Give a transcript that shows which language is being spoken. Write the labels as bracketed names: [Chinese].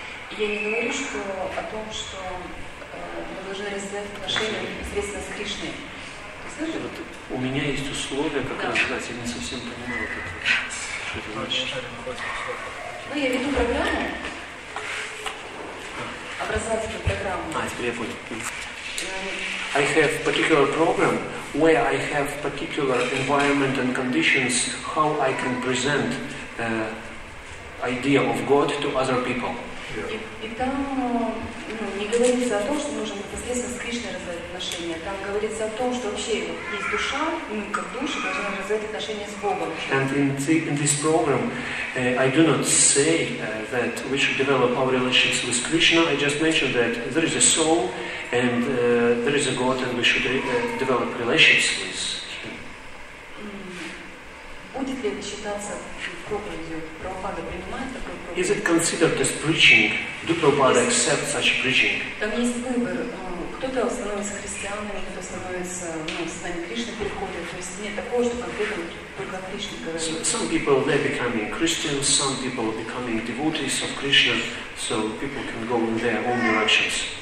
[Russian] И я не говорю, что о том, что мы должны развивать отношения непосредственно с Кришной. Вот, у меня есть условия, как раз, да, я не совсем понимаю, вот это, что это значит. Ну, я веду программу, образовательную программу. А, теперь я понял. [English] I have particular program where I have particular environment and conditions how I can present idea of God to other people. [Russian] И там не говорится о том, что нужно непосредственно с Кришной развивать отношения. Там говорится о том, что вообще есть душа, как душа, должна развивать отношения с Богом. [English] And in this program, I do not say that we should develop our relations with Krishna. I just mentioned that there is a soul and there is a God, and we should develop relations with Him. [Russian] Будет ли это считаться проповедью? Прабхупада принимает такую проповедь? [English] Is it considered as preaching? Do Prabhupada accept such preaching? [Russian] Там есть выбор. Кто-то становится христианином, кто-то становится, с нами Кришна переходит. То есть нет такого, что конкретно [English] Some people they becoming Christians, some people becoming devotees of Krishna, so people can go in their own directions.